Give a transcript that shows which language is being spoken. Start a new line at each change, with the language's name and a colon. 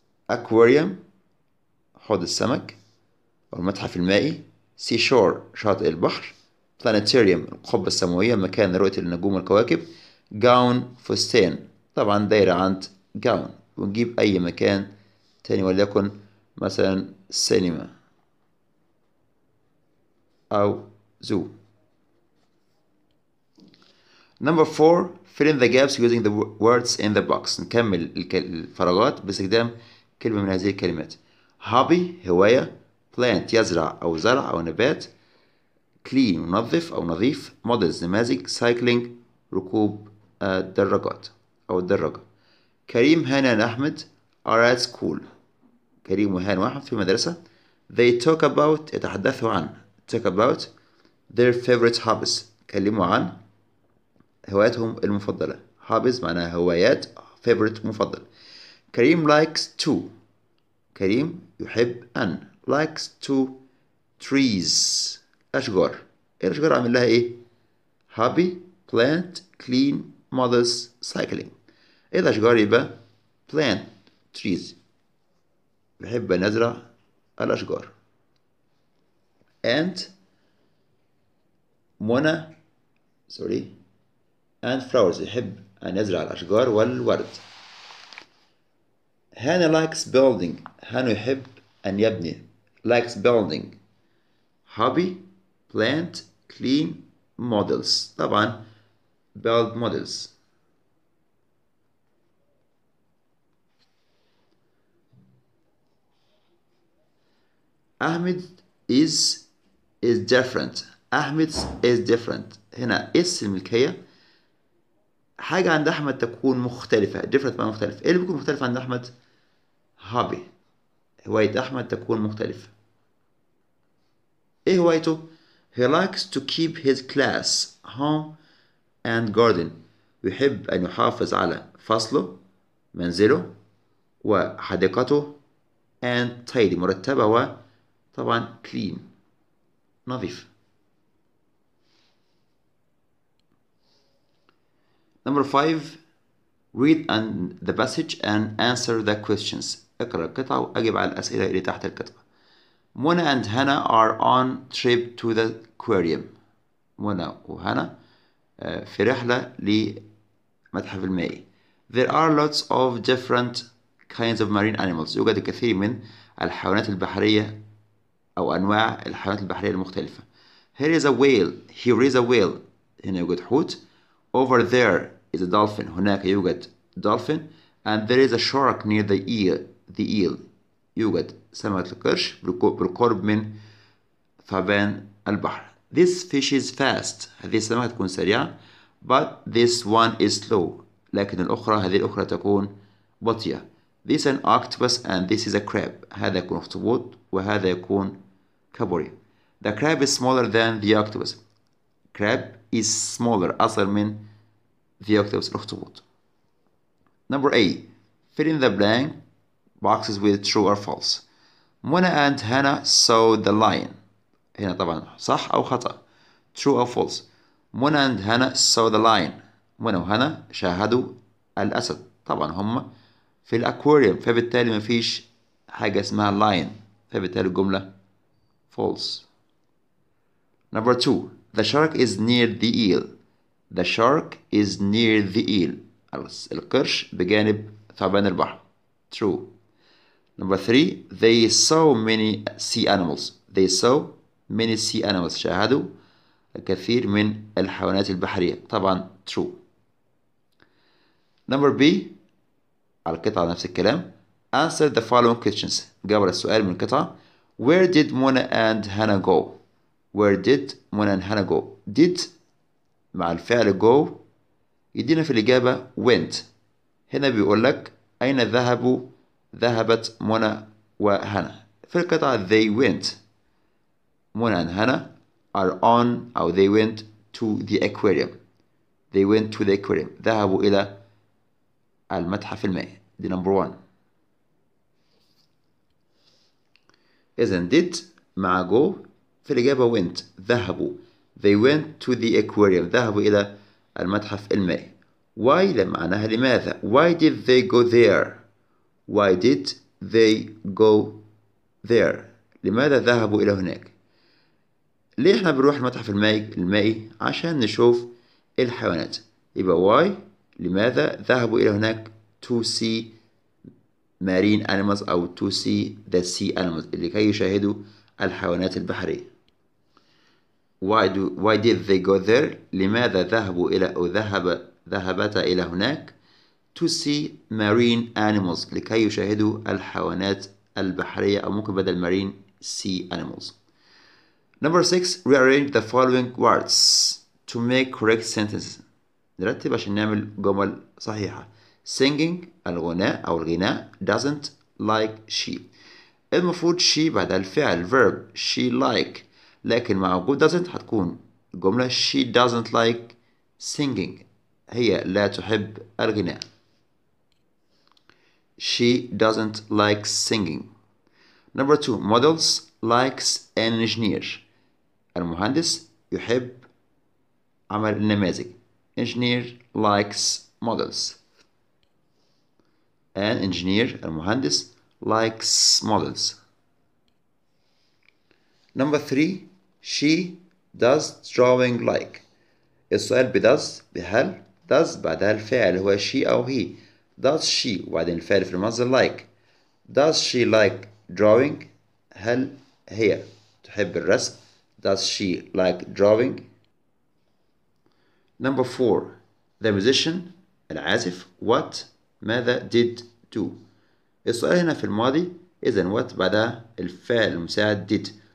Arabic: أكواريوم حوض السمك، والمتحف المائي سي شور شاطئ البحر، بلانيتاريوم القبة السماوية مكان رؤية النجوم والكواكب، جاون فستان طبعا دايرة عند جاون، ونجيب أي مكان تاني وليكن مثلا سينما أو زو.
English: number 4 fill in the gaps using the words in the box،
Arabic: نكمل الفراغات باستخدام كلمة من هذه الكلمات. hobby هواية، plant يزرع أو زرع أو نبات، clean منظف أو نظيف، models نماذج، cycling ركوب الدراجات أو الدراجة. كريم هانا أحمد
English: are at school،
Arabic: كريم وهان واحد في مدرسة.
English: they talk about
Arabic: يتحدثوا عن،
English: talk about their favorite hobbies
Arabic: كلموا عن هواياتهم المفضلة،
English: hobbies
Arabic: معناها هوايات،
English: favorite مفضل. Karim likes to،
Arabic: كريم يحب أن،
English: likes to trees أشجار.
Arabic: الأشجار عامل لها إيه؟
English: hobby plant clean models cycling.
Arabic: إيه الأشجار؟ يبقى
English: plant trees
Arabic: بحب نزرع الأشجار.
English: and Mona sorry and flowers
Arabic: يحب أن يزرع الأشجار والورد.
English: Hannah likes building،
Arabic: هانو يحب أن يبني،
English: likes building hobby plant clean models طبعا build models.
Arabic: أحمد
English: is different،
Arabic: أحمد is different هنا اسم الملكية، حاجة عند أحمد تكون مختلفة، different معنى مختلف. إيه اللي بيكون مختلف عند أحمد؟ hobby هواية أحمد تكون مختلفة. إيه هوايته؟
English: he likes to keep his class home and garden،
Arabic: يحب أن يحافظ على فصله منزله وحديقته
English: and tidy
Arabic: مرتبة و طبعا clean نظيف.
English: Number 5 read and the passage and answer the questions،
Arabic: اقرأ القطعة واجب على الأسئلة اللي تحت القطعة.
English: Mona and Hannah are on trip to the aquarium،
Arabic: منى وهنا في رحلة لمتحف المائي.
English: There are lots of different kinds of marine animals،
Arabic: يوجد الكثير من الحيوانات البحرية أو أنواع الحيوانات البحرية المختلفة.
English: Here is a whale، here is a whale
Arabic: هنا يوجد حوت.
English: Over there is a dolphin،
Arabic: هناك يوجد
English: dolphin. And there is a shark near the eel
Arabic: يوجد سمكة القرش بالقرب من ثعبان البحر.
English: This fish is fast،
Arabic: هذه السمكة تكون سريعة.
English: But this one is slow،
Arabic: لكن الأخرى هذه الأخرى تكون بطيئة.
English: This is an octopus and this is a crab،
Arabic: هذا يكون أخطبوط وهذا يكون كابوريا.
English: The crab is smaller than the octopus، crab is smaller
Arabic: أصغر من
English: the octopus الأخطبوط. Number A fill in the blank boxes with true or false، Mona and Hannah saw the lion،
Arabic: هنا طبعا صح أو خطأ،
English: true or false.
Arabic: منى
English: and Hannah saw the lion،
Arabic: منى وهنا شاهدوا الأسد طبعا هم في الأكواريوم، فبالتالي ما فيش حاجة اسمها lion، فبالتالي الجملة false.
English: Number 2 the shark is near the eel، the shark is near the eel
Arabic: القرش بجانب ثعبان البحر،
English: true. Number 3 they saw many sea animals، they saw many sea animals
Arabic: شاهدوا الكثير من الحيوانات البحرية طبعا
English: true.
Arabic: Number B على القطعة نفس الكلام
English: answer the following questions،
Arabic: جاوب على السؤال من القطعة.
English: Where did Mona and Hannah go? Where did Mona and Hannah go?
Arabic: Did مع الفعل go يدينا في الإجابة went. هنا بيقول لك أين ذهبوا؟ ذهبت منى وهنا. في القطعة
English: they went. Mona and Hannah are on أو they went to the aquarium. They went to the aquarium.
Arabic: ذهبوا إلى المتحف المائي.
English: The number one.
Arabic: إذن did مع go في الإجابة went. ذهبوا.
English: They went to the aquarium.
Arabic: ذهبوا إلى المتحف المائي.
English: Why
Arabic: معناها لماذا؟
English: Why did they go there? Why did they go there?
Arabic: لماذا ذهبوا إلى هناك؟ ليه إحنا بنروح المتحف المائي؟ عشان نشوف الحيوانات. يبقى why لماذا ذهبوا إلى هناك
English: to see marine animals
Arabic: أو
English: to see the sea animals
Arabic: لكي يشاهدوا الحيوانات البحرية.
English: Why did they go there؟
Arabic: لماذا ذهبوا إلى أو ذهبت إلى هناك
English: to see marine animals
Arabic: لكي يشاهدوا الحيوانات البحرية أو ممكن بدل marine sea animals.
English: Number 6 rearrange the following words to make correct sentences.
Arabic: نرتب عشان نعمل جمل صحيحة.
English: Singing الغناء أو الغناء doesn't like she.
Arabic: المفروض she بعد الفعل verb she like لكن مع وجود doesn't هتكون جملة
English: she doesn't like singing.
Arabic: هي لا تحب الغناء.
English: She doesn't like singing. Number 2 models likes an engineer.
Arabic: المهندس يحب عمل النماذج.
English: Engineer likes models. An engineer المهندس likes models. Number 3 she does drawing like.
Arabic: السؤال بdoes بهل does بعد الفعل هو she أو he.
English: Does she
Arabic: بعد الفعل في المصدر like.
English: Does she like drawing؟
Arabic: هل هي تحب الرسم؟ Does she like drawing؟
English: Number 4 the musician
Arabic: العازف what ماذا
English: did do؟
Arabic: السؤال هنا في الماضي إذن what بعد الفعل المساعد did.